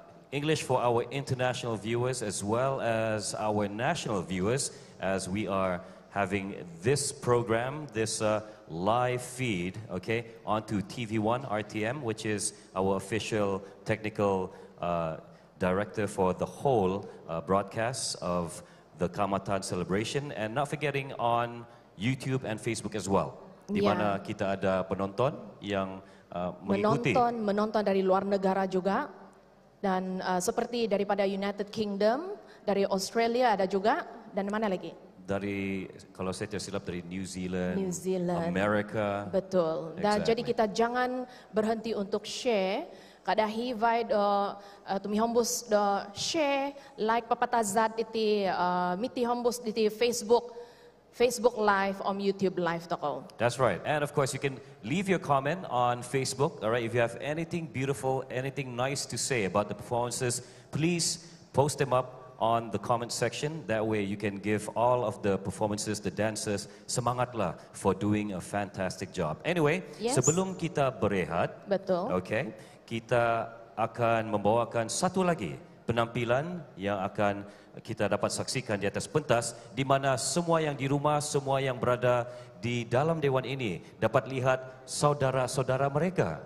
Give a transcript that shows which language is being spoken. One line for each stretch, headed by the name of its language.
English: English for our international viewers as well as our national viewers, as we are having this program, this live feed, okay, onto TV1 RTM, which is our official technical director for the whole broadcast of the Kaamatan celebration, and not forgetting on YouTube and Facebook as well.
Malay: Di mana kita ada penonton yang mengikuti. Menonton dari luar negara juga. Dan seperti daripada United Kingdom, dari Australia ada juga, dan mana lagi? Dari, kalau saya tidak silap, dari New Zealand, America. Betul.
English: Exactly.
Malay: Dan jadi kita jangan berhenti untuk share.
Central Dusun: Kadahi vai do tumi hombus do share, like papatazat iti miti hombus iti Facebook live om YouTube live toko.
English: That's right. And of course you can leave your comment on Facebook. All right, if you have anything beautiful, anything nice to say about the performances, please post them up on the comment section. That way you can give all of the performances, the dancers,
Malay: semangatlah
English: for doing a fantastic job. Anyway,
Malay: sebelum kita berehat. Betul. Okay. Kita akan membawakan satu lagi penampilan yang akan kita dapat saksikan di atas pentas, di mana semua yang di rumah, semua yang berada di dalam dewan ini dapat lihat saudara-saudara mereka.